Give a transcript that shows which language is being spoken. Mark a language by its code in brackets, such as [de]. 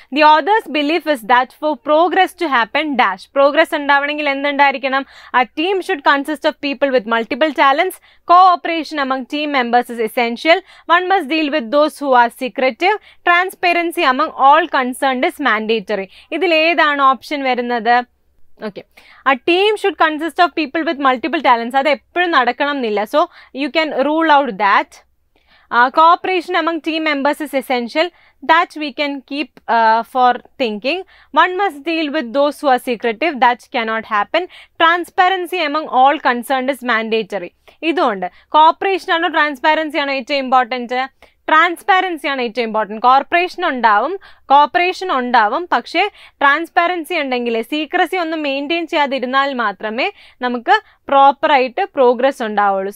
[en] The author's belief is that for progress to happen, dash. Progress [ml] undavanengil endundayirikanam? [en] A team should consist of people with multiple talents. Cooperation among team members is essential. One must deal with those who are secretive. Transparency among all concerned is mandatory. [ml] Idil edaanu option varunnathu? [en] Okay, a team should consist of people with multiple talents. [ml] അത് എപ്പോഴും നടക്കണം എന്നില്ല. [en] So you can rule out that. Cooperation among team members is essential. That we can keep for thinking. One must deal with those who are secretive. That cannot happen. Transparency among all concerned is mandatory. [ml] ഇതുകൊണ്ട് corporation ആണോ transparency ആണോ ഏറ്റവും important? Transparency ആണ് ഏറ്റവും important. Corporation ഉണ്ടാവും, പക്ഷേ transparency ഉണ്ടെങ്കിൽ, secrecy ഒന്നും മെയിൻറ്റെയിൻ ചെയ്യാതിരുന്നാൽ മാത്രമേ നമുക്ക് പ്രോപ്പറായിട്ട് പ്രോഗ്രസ് ഉണ്ടാവുള്ളൂ.